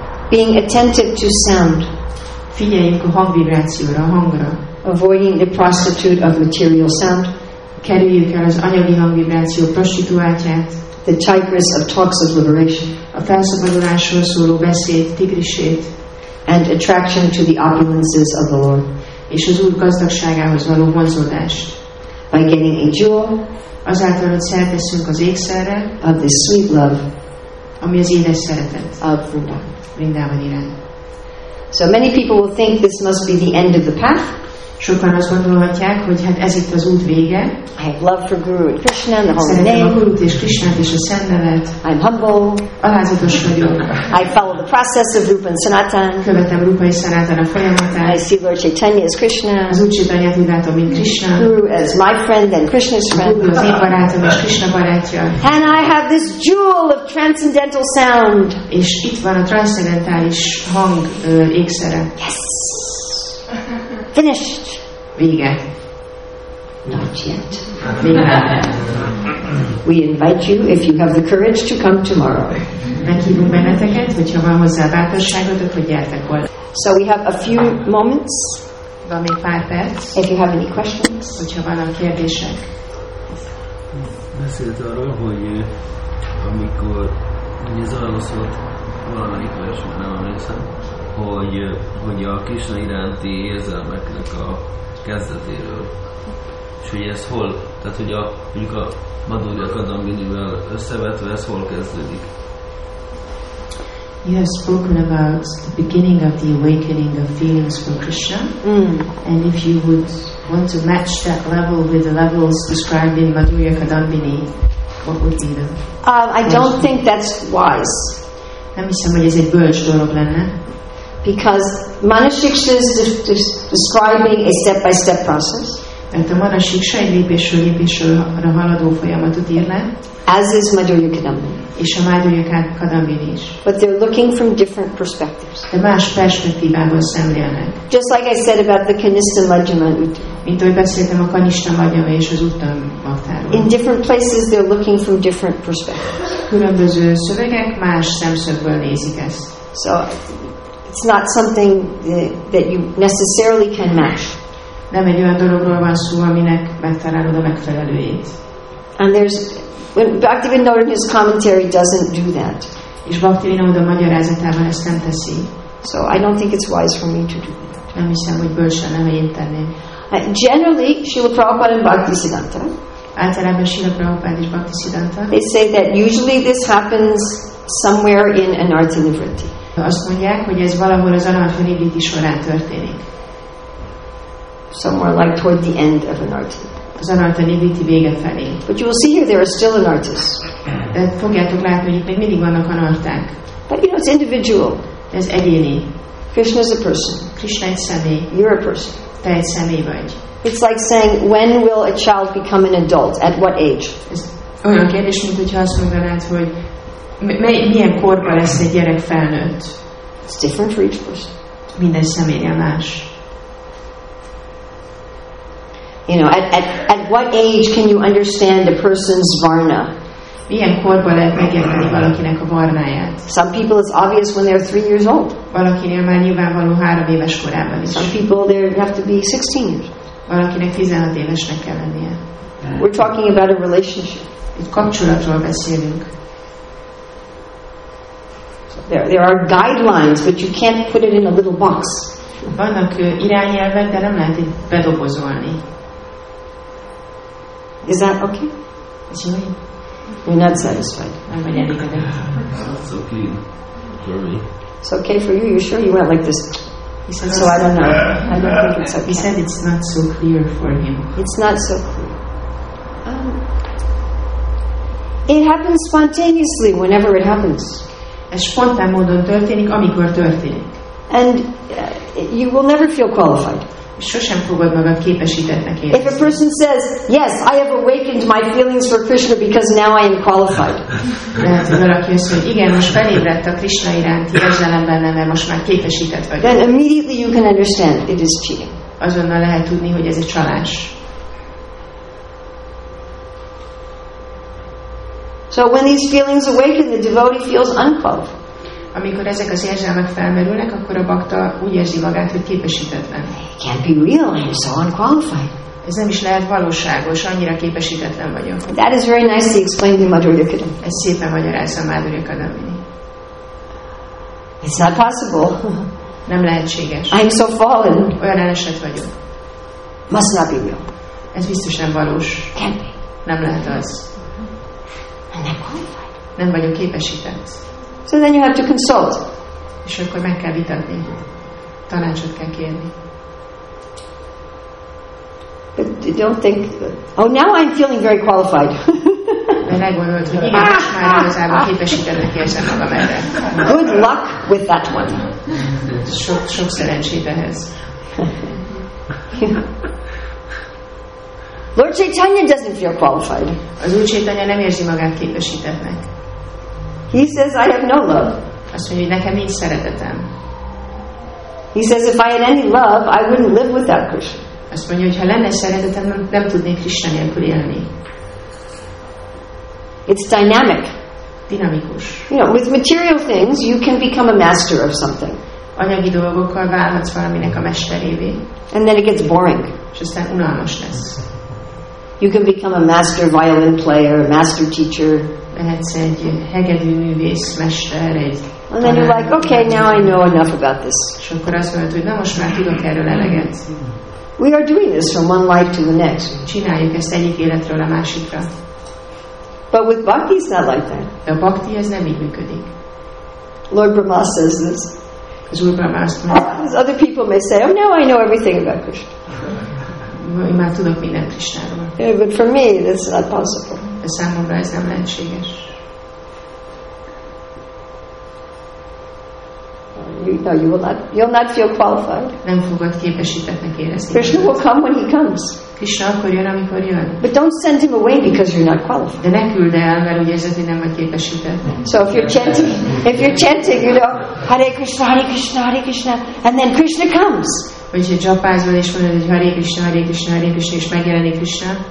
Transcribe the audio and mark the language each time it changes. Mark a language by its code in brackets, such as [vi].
[en] Being attentive to sound. [hu] Figyeljünk a hangvibrációra, a hangra. [en] Avoiding the prostitute of material sound. [hu] Kerüljük el az anyagi hangvibráció prostituáltját. [en] The tigress of talks of liberation. [hu] A felszabadulásról szóló beszéd, tigrisét. [en] And attraction to the opulences of the Lord. [hu] És az Úr gazdagságához való vonzódás. [en] By getting a jewel. [hu] Azáltal, hogy szert veszünk az ékszerre. [en] Of the sweet love. [hu] Ami az édes szeretet. [en] Of Buddha. [hu] Vrindavan irány. [en] So many people will think this must be the end of the path. [hu] Sokan azt gondolhatják, hogy hát ez itt az út vége. [en] I have love for Guru and Krishna and the holy name. [hu] Szeretem a Gurut és Krishnát és a Szent Nevet. [en] I'm humble. [hu] Alázatos vagyok. [en] I follow the process of Rupa and Sanatan. [hu] Követem Rupa és Sanatan a folyamatát. [en] I see Lord Chaitanya as Krishna. [hu] Az Úr Chaitanyát úgy látom, mint Krishna. [en] Guru as my friend and Krishna's friend. [hu] Guru az én barátom és Krishna barátja. [en] And I have this jewel of transcendental sound. [hu] És itt van a transzcendentális hang ékszere. [en] Yes. Finished. [hu] Vége. [en] Not yet. We invite you, if you have the courage, to come tomorrow. [hu] Meghívunk benneteket, hogyha van hozzá bátorságotok, hogy gyertek volna. [en] So we have a few moments. [hu] Van még pár perc. [en] If you have any questions. [hu] Hogyha van a kérdések. Beszélt arról, hogy amikor ez arról szólt valamelyik versben, nem emlékszem, hogy a Krisna iránti érzelmeknek a kezdetéről. És hogy ez hol, tehát hogy a, mondjuk a Madhurya Kadambinivel összevetve, ez hol kezdődik? [en] You have spoken about the beginning of the awakening of feelings for Krishna. Mm. And if you would want to match that level with the levels described in Madhurya Kadambini, what would be the... I don't think that's wise. [hu] Nem hiszem, hogy ez egy bölcs dolog lenne. [en] Because Manushiksha is describing a step-by-step process. [hu] Mert a Manushiksha egy lépésről-lépésre haladó folyamatot ír le. [en] As is Madhurya Kadambini. [hu] És a Madhurya Kadambini is. [en] But they're looking from different perspectives. [hu] De más perspektívából szemlélnek. [en] Just like I said about the Kanista Madhyama Utta. [hu] Mint ahogy beszéltem a Kanista Madhyama és az Utta Magtáról. [en] In different places they're looking from different perspectives. [hu] Különböző szövegek más szemszögből nézik ezt. [en] So, it's not something that you necessarily can match. [hu] Nem egy olyan dologról van szó, aminek megtalálod a megfelelőjét. [en] And there's when Bhaktivinoda in his commentary doesn't do that. [hu] És Bhaktivinoda magyarázatában ezt nem teszi. [en] So I don't think it's wise for me to do that. [hu] Nem hiszem, hogy bölcsen, nem én tenném. [en] Generally, Srila Prabhupada and Bhaktisiddhanta. [hu] Általában Srila Prabhupada és Bhaktisiddhanta. [en] They say that usually this happens somewhere in Anarthanivritti. [hu] Azt mondják, hogy ez valahol az Anarthanivritti során történik. [en] Somewhere like toward the end of Anarthi. [hu] Az Anarthanivritti vége felé. [en] But you will see here there are still Anarthas. [hu] De fogjátok látni, hogy itt még mindig vannak Anarthák. [en] But you know, it's individual. [hu] De ez egyéni. [en] Krishna is a person. [hu] Krishna egy személy. [en] You're a person. [hu] Te egy személy vagy. [en] It's like saying, when will a child become an adult? At what age? [hu] Ez olyan kérdés, mint hogyha azt mondanád, hogy milyen korban lesz egy gyerek felnőtt? [en] It's different for each person. [hu] Minden személye más. [en] You know, at what age can you understand a person's varna? [hu] Milyen korban lehet megérteni valakinek a varnáját? [en] Some people it's obvious when they're 3 years old. [hu] Valakinél már nyilvánvaló 3 éves korában is. [en] Some people there have to be 16 years. [hu] Valakinek 16 évesnek kell lennie. [en] We're talking about a relationship. [hu] Egy kapcsolatról beszélünk. [en] There are guidelines, but you can't put it in a little box. [hu] Vannak irányelvek, de nem lehet itt bedobozolni. [en] Is that okay? It's okay. You're not satisfied. I'm not satisfied. It's okay for me. It's okay for you? You're sure you went like this? He said, so I don't know. I don't think it's okay. He said it's not so clear for him. It's not so clear. It happens spontaneously whenever it happens. [hu] Ez spontán módon történik, amikor történik. [en] And you will never feel qualified. [hu] Sosem fogod magad képesítettnek érezni. [en] If a person says, yes, I have awakened my feelings for Krishna because now I am qualified. [hu] Lehet, hogy valaki azt mondja, igen, most felébredt a Krishna iránti érzelem bennem, mert most már képesített vagyok. [en] Then immediately you can understand it is cheating. [hu] Azonnal lehet tudni, hogy ez egy csalás. [en] So when these feelings awaken, the devotee feels unqualified. [hu] Amikor ezek az érzelmek felmerülnek, akkor a bhakta úgy érzi magát, hogy képesítetlen. [en] Can't be real, I'm so unqualified. [hu] Ez nem is lehet valóságos, annyira képesítetlen vagyok. [en] That is very nicely explained in Madhurya-kadambini. [hu] Ez szépen magyarázza Madhurya-kadambini. [en] It's not possible. [hu] Nem lehetséges. [en] I'm so fallen. [hu] Olyan elesett vagyok. [en] Must not be real. [hu] Ez biztos nem valós. [en] Can't be. [hu] Nem lehet az. [en] I'm not qualified. [hu] Nem vagyok képesített. [en] So then you have to consult. [hu] És akkor meg kell vitatni. Tanácsot kell kérni. [en] But don't think, oh, now I'm feeling very qualified. [hu] Mert meggondolod, hogy igen, most már igazából képesítenek érzem magam erre. [en] Good luck with that one. [hu] Sok, sok szerencsét ehhez. [en] Lord Chaitanya doesn't feel qualified. [hu] Az Úr Chaitanya nem érzi magát képesítettnek. [en] He says, I have no love. [hu] Azt mondja, hogy nekem nincs szeretetem. [en] He says, if I had any love, I wouldn't live without Krishna. [hu] Azt mondja, hogy ha lenne szeretetem, nem tudnék Krishna nélkül élni. [en] It's dynamic. [hu] Dinamikus. [en] You know, with material things, you can become a master of something. [hu] Anyagi dolgokkal válhatsz valaminek a mesterévé. [en] And then it gets boring. [hu] És aztán unalmas lesz. [en] You can become a master violin player, a master teacher. [hu] Lehetsz egy hegedű művész, mester, egy [en] And then you're like, okay, now I know enough about this. [hu] És akkor azt mondod, hogy na most már tudok erről eleget. [en] We are doing this from one life to the next. [hu] Csináljuk ezt egyik életről a másikra. [en] But with bhakti it's not like that. [hu] De a bhakti ez nem így működik. [en] Lord Brahma says this. [hu] Az Úr Brahma azt mondja. [en] Other people may say, oh, now I know everything about Krishna. [hu] Én már tudok minden Krisnáról. [en] Yeah, but for me, that's not possible. [hu] De számomra ez nem lehetséges. [en] You will not feel qualified. [hu] Nem fogod képesítettnek érezni. [en] Krishna will come when he comes. [hu] Krishna akkor jön, amikor jön. [en] But don't send him away because you're not qualified. [hu] De ne küldd el, mert úgy érzed, hogy nem vagy képesített. [en] So if you're chanting, you know, Hare Krishna, Hare Krishna, Hare Krishna, and then Krishna comes. [hu] Vagy egy japázol és mondod, hogy Hare Krishna, Hare Krishna, Hare Krishna, és megjelenik Krishna.